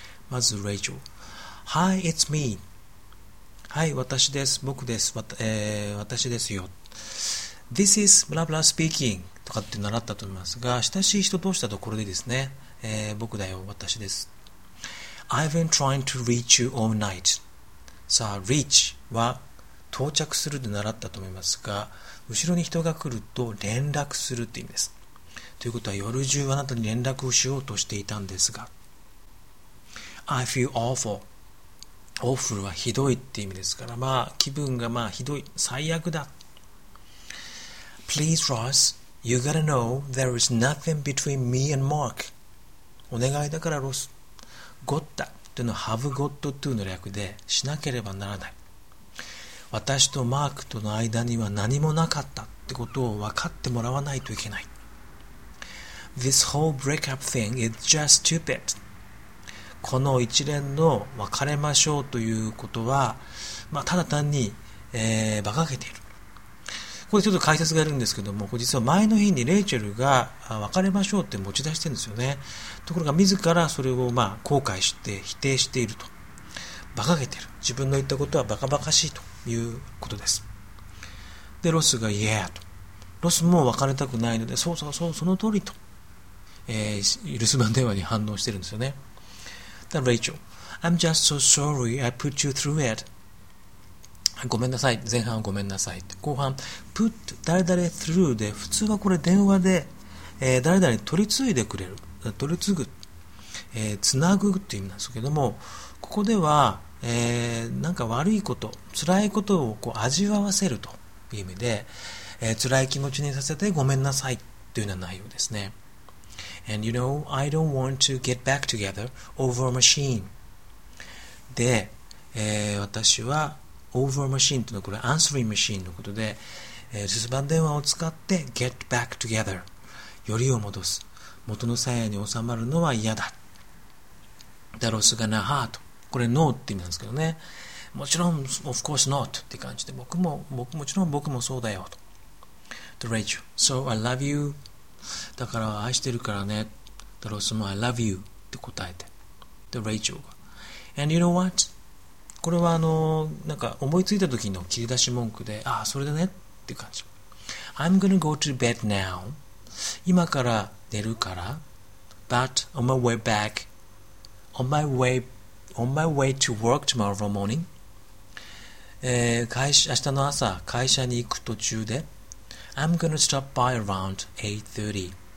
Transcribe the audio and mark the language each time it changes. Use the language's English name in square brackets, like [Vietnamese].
[Japanese] まずレイチェル、 [English] Hi, it's me. [Japanese] はい、私です。僕です。私ですよ。 [English] This is blah blah speaking [Japanese] とかって習ったと思いますが、親しい人同士だとこれでですね、僕だよ、私です。 [English] I've been trying to reach you all night. [Japanese] さあ、reach は到着するで習ったと思いますが、後ろに人が来ると連絡するって意味です。ということは、夜中あなたに連絡をしようとしていたんですが、 [English] I feel awful. [Japanese] Awful はひどいって意味ですから、まあ気分がまあひどい、最悪だ。 [English] Please, Ross, you gotta know there is nothing between me and Mark. [Japanese] お願いだからロス、Gotta というのは Have got to というの略で、しなければならない。私とマークとの間には何もなかったってことを分かってもらわないといけない。 [English] This whole breakup thing is just stupid. [Japanese] この一連の別れましょうということは、まあ、ただ単に、馬鹿げている。ここでちょっと解説があるんですけども、これ実は前の日にレイチェルが別れましょうって持ち出してるんですよね。ところが自らそれをまあ後悔して否定していると。馬鹿げている。自分の言ったことは馬鹿馬鹿しいということです。で、ロスが Yeah と。ロスも別れたくないので、そうそうそう、その通りと。留守番電話に反応してるんですよね。 [English] Then Rachel, I'm just so sorry I put you through it. [Japanese] ごめんなさい。前半はごめんなさい。後半、put 誰々 through で、普通はこれ電話で、誰々取り継いでくれる。取り継ぐ。つなぐという意味なんですけども、ここでは、なんか悪いこと、辛いことをこう味わわせるという意味で、辛い気持ちにさせてごめんなさいというような内容ですね。 [English] And you know, I don't want to get back together over a machine. [Japanese] で、私は over a machine というのはこれ answering machine のことで、留守番電話を使って get back together、 よりを戻す、元のさやに収まるのは嫌だ。ダロスがなはと、これ no って意味なんですけどね、もちろん [English] of course not [Japanese] って感じで、僕もそうだよと。と [English] Rachel, so I love you [Japanese] だから愛してるからね。でロスも I love you って答えて、でレイチェルが [English] And you know what? [Japanese] これはなんか思いついた時の切り出し文句で、ああそれでねっていう感じ。 [English] I'm gonna go to bed now. [Japanese] 今から寝るから。 [English] But on my way back, on my way to work tomorrow morning、 [Japanese] 明日の朝会社に行く途中で、 [English] I'm gonna stop by around 8:30.